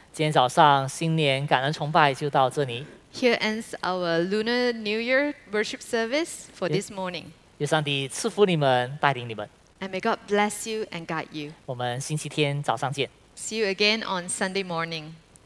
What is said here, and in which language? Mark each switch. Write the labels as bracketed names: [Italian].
[Chinese] 今天早上新年感恩崇拜就到这里。 [English] Here ends our Lunar New Year worship service for this morning. [Chinese] 愿上帝赐福你们，带领你们。 [English] And may God bless you and guide you. [Chinese] 我们星期天早上见。 [English] See you again on Sunday morning.